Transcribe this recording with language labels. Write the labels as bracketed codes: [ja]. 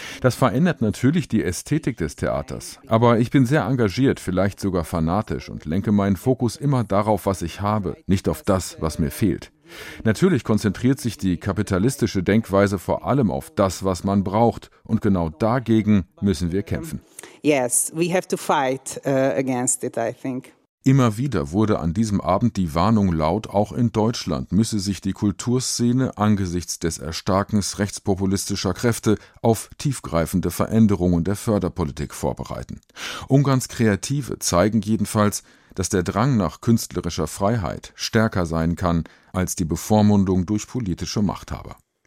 [de] Das verändert natürlich die Ästhetik des Theaters. Aber ich bin sehr engagiert, vielleicht sogar fanatisch, und lenke meinen Fokus immer darauf, was ich habe, nicht auf das, was mir fehlt. Natürlich konzentriert sich die kapitalistische Denkweise vor allem auf das, was man braucht. Und genau dagegen müssen wir kämpfen. [en] Yes, we have to fight against it, I think. [de] Immer wieder wurde an diesem Abend die Warnung laut, auch in Deutschland müsse sich die Kulturszene angesichts des Erstarkens rechtspopulistischer Kräfte auf tiefgreifende Veränderungen der Förderpolitik vorbereiten. Ungarns Kreative zeigen jedenfalls, dass der Drang nach künstlerischer Freiheit stärker sein kann als die Bevormundung durch politische Machthaber.